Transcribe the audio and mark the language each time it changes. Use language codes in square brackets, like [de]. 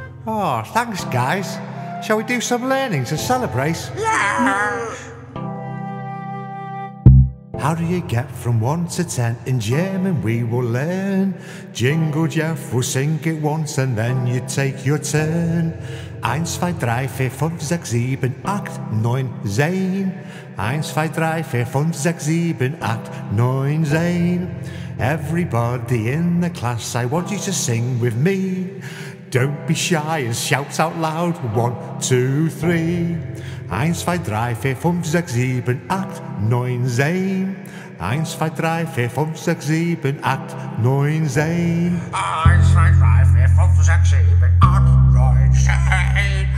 [en] Oh, thanks, guys. Shall we do some learning to celebrate? Yeah! How do you get from 1 to 10? In German we will learn. Jingle Jeff will sing it once and then you take your turn. [de] Eins, zwei, drei, vier, fünf, sechs, sieben, acht, neun, zehn. Eins, zwei, drei, vier, fünf, sechs, sieben, acht, neun, zehn. [en] Everybody in the class, I want you to sing with me. Don't be shy and shout out loud. One, two, three. [de] Eins, zwei, drei, vier, fünf, sechs, sieben, acht, neun, zehn. Eins, zwei, drei, vier, fünf, sechs, sieben, acht, neun, zehn. Eins, zwei, drei, vier, fünf, sechs, sieben, acht, neun, zehn.